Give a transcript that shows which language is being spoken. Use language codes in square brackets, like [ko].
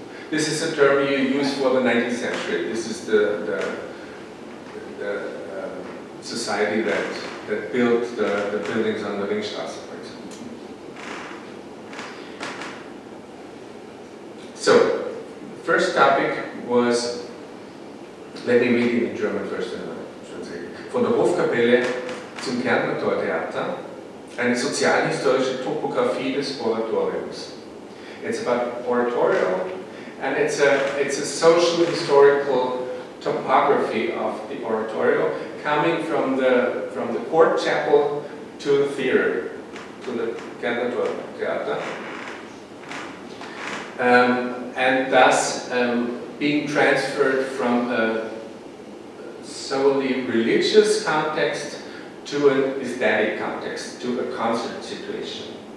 [en] This is a term you use for the 19th century. This is the society that built the buildings on the Ringstrasse, for example. So, the first topic was, let me read it in German first and then translate it. [de] Von der Hofkapelle zum Kärntner-Tor-Theater, eine sozialhistorische Topographie des Oratoriums. [en] It's about oratorio. And it's a social historical topography of the oratorio, coming from the court chapel to the theater, to the Kärntner Theater, and thus being transferred from a solely religious context to an aesthetic context, to a concert situation.